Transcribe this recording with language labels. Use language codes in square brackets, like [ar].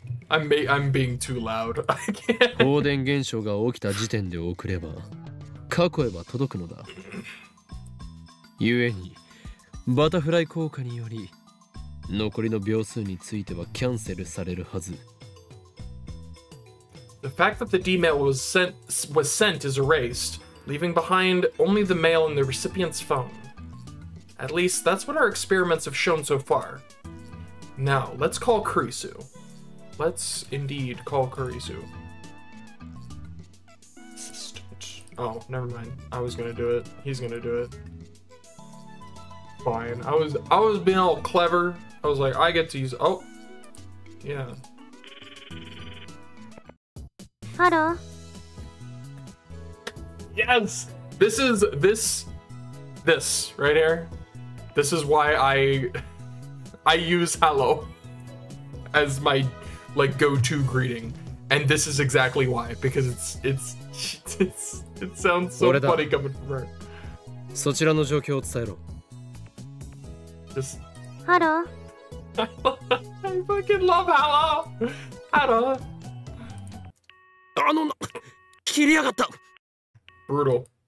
[en] I'm being too loud. I can't. [ja] 放電現象が起きた時点で遅れば、過去へは届くのだ。故に、バタフライ効果により、残りの秒数についてはキャンセルされるはず。 [en] The fact that the D-mail was sent is erased, leaving behind only the mail in the recipient's phone. At least, that's what our experiments have shown so far. Now, let's call Karisu. Let's indeed call Karisu. Assistant. Oh, never mind. I was gonna do it. He's gonna do it. Fine. I was being all clever. I was like, I get to use. Oh. Yeah. Hello. Yes! This right here. This is why I use hello. As my like go-to greeting, and this is exactly why, because it sounds so funny coming from her. [ja] そちらの状況を伝えろ。ハロ [en] ー。 I fucking love hello. ハロ [ja] ー。 あの、切りやがった。 [en] Brutal。